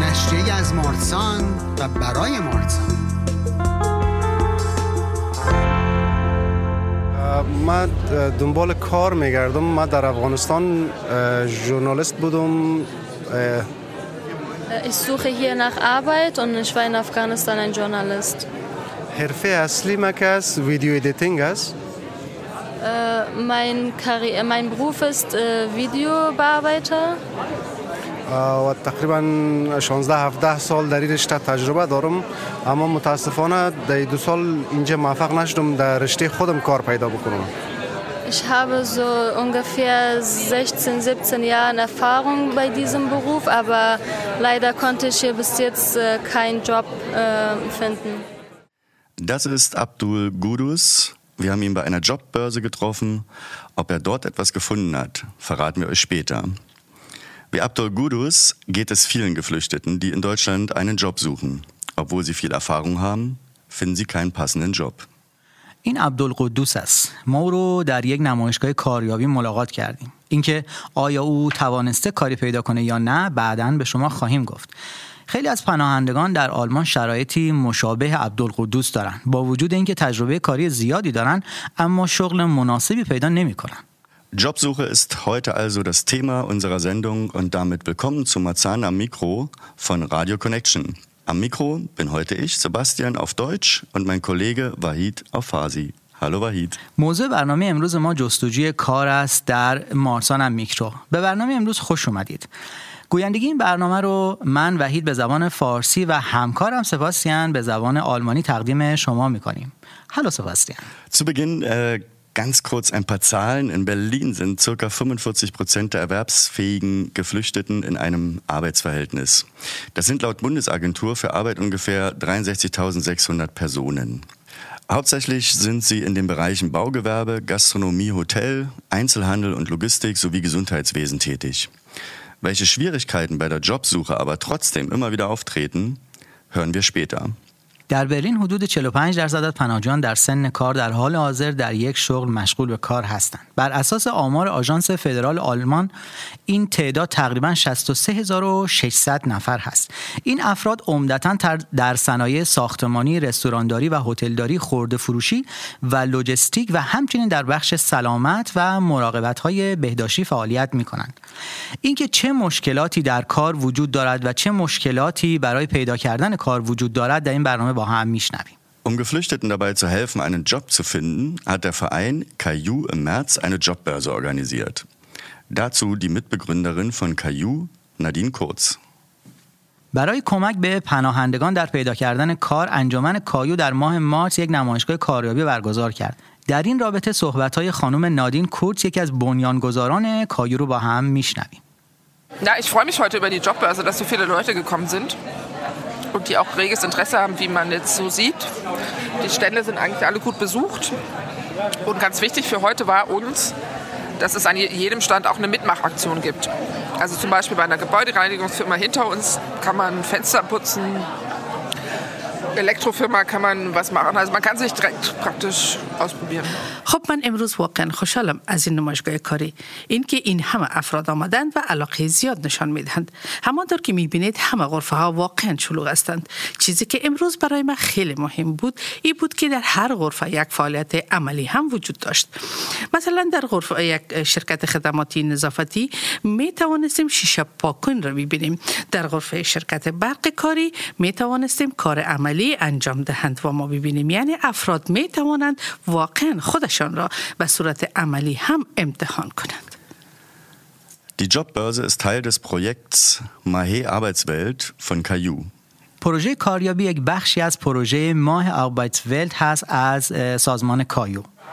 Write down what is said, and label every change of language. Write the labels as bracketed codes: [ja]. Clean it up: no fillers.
[fa] نشرية از Marzahn و برای Marzahn. من دنبال کار میگردم. من در افغانستان ژورنالیست بودم. [de] Ich suche hier nach Arbeit und ich war in Afghanistan ein Journalist. [fa] حرفه اصلی ما که است ویدیو ایدیتینگ است. [de] Mein Beruf ist Videobearbeiter. [fa] و تقریبا 16-17 سال در این رشته تجربه دارم، اما متاسفانه در دو سال اینجا موفق نشدم در رشته خودم کار پیدا بکنم. [de] Ich habe so ungefähr 16, 17 Jahre Erfahrung bei diesem Beruf, aber leider konnte ich hier bis jetzt keinen Job finden. Das ist Abdul Gudus. Wir haben ihn bei einer Jobbörse getroffen. Ob er dort etwas gefunden hat, verraten wir euch später. Wie Abdul Gudus geht es vielen Geflüchteten, die in Deutschland einen Job suchen. Obwohl sie viel Erfahrung haben, finden sie keinen passenden Job. [fa] این عبدالقدوس است. ما او رو در یک نمایشگاه کاریابی ملاقات کردیم. اینکه آیا او توانسته کاری پیدا کنه یا نه بعداً به شما خواهیم گفت. خیلی از پناهندگان در آلمان شرایطی مشابه عبدالقدوس دارن. با وجود اینکه تجربه کاری زیادی دارن اما شغل مناسبی پیدا نمی کنن. [de] Jobsuche ist heute also das Thema unserer Sendung und damit willkommen zu Marzahn am Mikro von Radio Connection. Am Mikro bin heute ich, Sebastian, auf Deutsch und mein Kollege Wahid auf Farsi. Hallo Wahid. [fa] موضوع برنامه امروز ما جستجوی کار است در مارسان ام میکرو. به برنامه امروز خوش اومدید. گویندگی این برنامه رو من وحید به زبان فارسی و همکارم سباستیان به زبان آلمانی تقدیم شما میکنیم. [de] Hallo Sebastian. Zu Beginn ganz kurz ein paar Zahlen. In Berlin sind ca. 45% der erwerbsfähigen Geflüchteten in einem Arbeitsverhältnis. Das sind laut Bundesagentur für Arbeit ungefähr 63.600 Personen. Hauptsächlich sind sie in den Bereichen Baugewerbe, Gastronomie, Hotel, Einzelhandel und Logistik sowie Gesundheitswesen tätig. Welche Schwierigkeiten bei der Jobsuche aber trotzdem immer wieder auftreten, hören wir später. [fa] در برلین حدود 45% از پناهجویان در سن کار در حال حاضر در یک شغل مشغول به کار هستند. بر اساس آمار آژانس فدرال آلمان این تعداد تقریبا 63600 نفر هست. این افراد عمدتا در صنایع ساختمانی، رستورانداری و هتلداری، خرده فروشی و لوجستیک و همچنین در بخش سلامت و مراقبت‌های بهداشتی فعالیت می‌کنند. اینکه چه مشکلاتی در کار وجود دارد و چه مشکلاتی برای پیدا کردن کار وجود دارد در این برنامه [de] Um Geflüchteten dabei zu helfen, einen Job zu finden, hat der Verein KAJU im März eine Jobbörse organisiert. Dazu die Mitbegründerin von KAJU, Nadine Kurz. [fa] برای کمک به پناهندگان در پیدا کردن کار، انجمن KAJU در ماه مارس یک نمایشگاه کاریابی برگزار کرد. در این رابطه صحبت‌های خانم نادین کورتز، یکی از بنیانگذاران KAJU رو با هم می‌شنویم. [de] Ja, ich freue mich heute über die Jobbörse, dass so viele Leute gekommen sind. Und die auch reges Interesse haben, wie man jetzt so sieht. Die Stände sind eigentlich alle gut besucht. Und ganz wichtig für heute war uns, dass es an jedem Stand auch eine Mitmachaktion gibt. Also zum Beispiel bei einer Gebäudereinigungsfirma hinter uns kann man Fenster putzen, Elektrofirma kann man was machen. Also man kann sich direkt praktisch ausprobieren. [fa] خب من امروز واقعا خوشحالم از این نمایشگاه کاری. اینکه این همه افراد آمدند و علاقه زیاد نشان میدهند. همانطور که میبینید همه غرفه ها واقعا شلوغ هستند. چیزی که امروز برای من خیلی مهم بود این بود که در هر غرفه یک فعالیت عملی هم وجود داشت. مثلا در غرفه یک شرکت خدماتی نظافتی می توانستیم شیشه پاکن را ببینیم. در غرفه شرکت برق کاری می توانستیم کار عملی انجام دهند و ما ببینیم. یعنی افراد می توانند واقعا خودشان را به صورت عملی هم امتحان کنند. [de] Die Jobbörse ist Teil des Projekts Mahe Arbeitswelt von KAJU. [fa] پروژه کاریابی یک بخشی از پروژه ماه Arbeitswelt هست از سازمان KAJU.